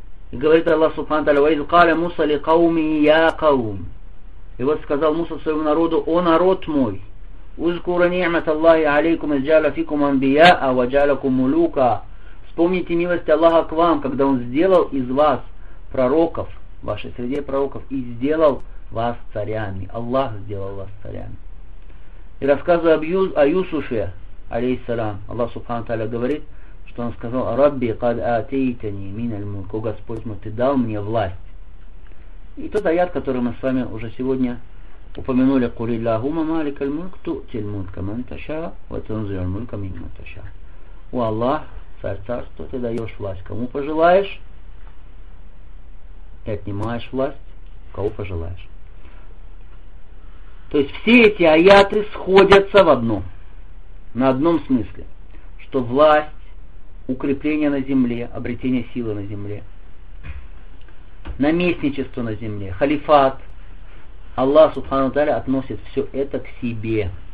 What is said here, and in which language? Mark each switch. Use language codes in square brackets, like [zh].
[ru] И говорит Аллах Субхану Тааля, [ar] وَإِذْ قَالَ مُوسَى لِقَوْمِهِ يَا قَوْمِ [ru] И вот сказал Муса своему народу, о народ мой, [ar] اُذْكُرَ نِعْمَةَ اللَّهِ عَلَيْكُمْ إِذْ جَعَلَ فِيكُمْ أَنْبِيَاءَ وَجَعَلَكُمْ مُلُوكًا [ru] Вспомните милость Аллаха к вам, когда Он сделал из вас пророков, в вашей среде пророков, и сделал вас царями. Аллах сделал вас царями. И рассказывая о Юсуфе, алейхиссалам, Аллах Субхану Тааля говорит, что он сказал, [ar] «Рабби, кад атейтани миналь мульк, [ru] о Господь мой, ты дал мне власть». И тот аят, который мы с вами уже сегодня упомянули, [ar] قُلِ اللَّهُمَّ مَالِكَ الْمُلْكِ تُؤْتِي الْمُلْكَ مَنْ تَشَاءُ وَتُنْزِعُ الْمُلْكَ مِمَّنْ تَشَاءُ. [ru] О Аллах, Царь Царства, ты даешь власть кому пожелаешь и отнимаешь власть кого пожелаешь. То есть все эти аяты сходятся в одном, на одном смысле, что власть, укрепление на земле, обретение силы на земле, наместничество на земле, халифат, Аллах Субхану Тааля относит все это к себе.